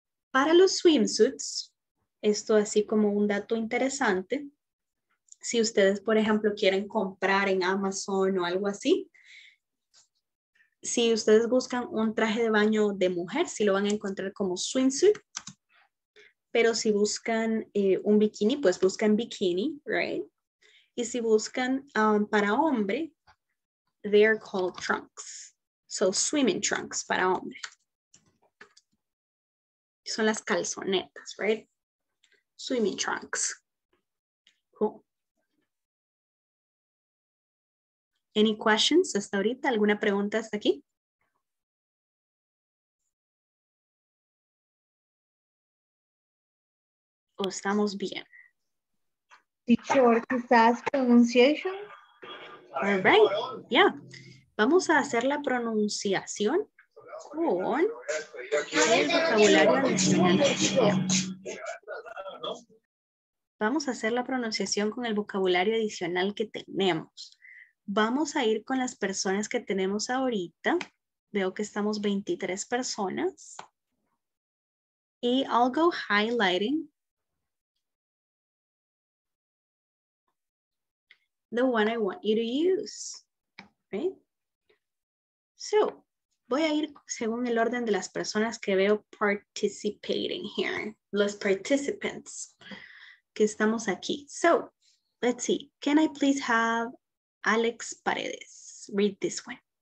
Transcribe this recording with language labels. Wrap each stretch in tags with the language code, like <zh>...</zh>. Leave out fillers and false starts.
<es>Para los swimsuits, esto así como un dato interesante, si ustedes, por ejemplo, quieren comprar en Amazon o algo así, si ustedes buscan un traje de baño de mujer, sí lo van a encontrar como swimsuit, pero si buscan un bikini, pues buscan bikini, right? Y si buscan para hombre,</es> <en>they are called trunks. So swimming trunks</en> <es>para hombre. Son las calzonetas, right?</es> <en>Swimming trunks. Cool. Any questions</en> <es>hasta ahorita? ¿Alguna pregunta hasta aquí? ¿O estamos bien? Teacher, quizás pronunciation.</es> <en>All right, yeah.</en> <es>Vamos a hacer la pronunciación con el vocabulario adicional. Vamos a hacer la pronunciación con el vocabulario adicional que tenemos. Vamos a ir con las personas que tenemos ahorita. Veo que estamos 23 personas.</es> <en>Y I'll go highlighting the one I want you to use, right?</en> <es>So, voy a ir según el orden de las personas que veo</es> <en>participating here,</en> <es>los participants que estamos aquí.</es> <en>So, let's see. Can I please have Alex Paredes read this one?</en>